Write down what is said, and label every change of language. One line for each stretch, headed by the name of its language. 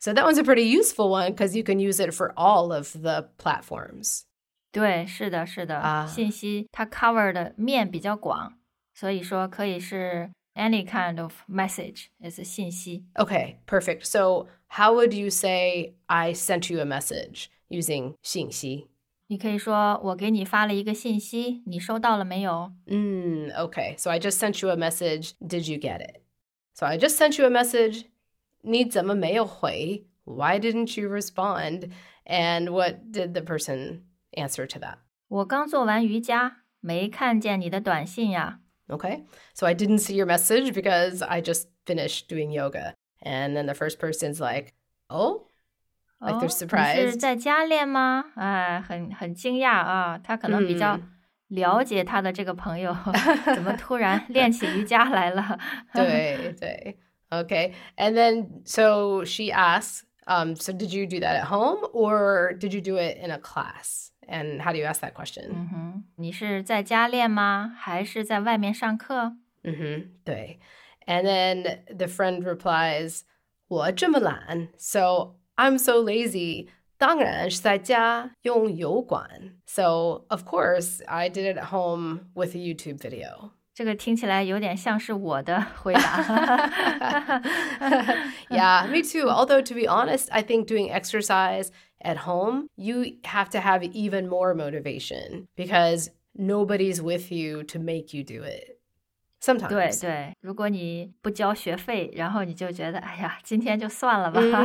English: So that one's a pretty useful one because you can use it for all of the platforms.
Chinese: 对，是的，是的。信息它 covered 面比较广，所以说可以是。
English: Any kind of message is 信息。 Okay, perfect. So how would you say I sent you a message using 信息?
Chinese: 你可以说我给你发了一个信息，你收到了没有？
English: Okay. So I just sent you a message. Did you get it? So I just sent you a message.
Chinese: 你怎么没有回?
English: Why didn't you respond? And what did the person answer to that?
Chinese: 我刚做完瑜伽，没看见你的短信呀。
English: Okay. So I didn't see your message because I just finished doing yoga. And then the first person's like, oh? Like they're surprised.
Chinese: 你是在家练吗？哎，很惊讶啊！他可能比较了解他的这个朋友，怎么突然练起瑜伽来了？对对 ，Okay.
English: And then, so she asks, so did you do that at home or did you do it in a class? And how do you ask that question?
Chinese: 你是在家练吗？还是在外面上课？
English: 对。And then the friend replies,
Chinese: 我这么懒
English: ，so. I'm so lazy.
Chinese: 当然是在家用油管。
English: So, of course, I did it at home with a YouTube video.
Chinese: 这个听起来有点像是我的回答。
English: Yeah, me too. Although, to be honest, I think doing exercise at home, you have to have even more motivation because nobody's with you to make you do it. Sometimes.
Chinese: 对对，如果你不交学费，然后你就觉得，哎呀，今天就算了吧。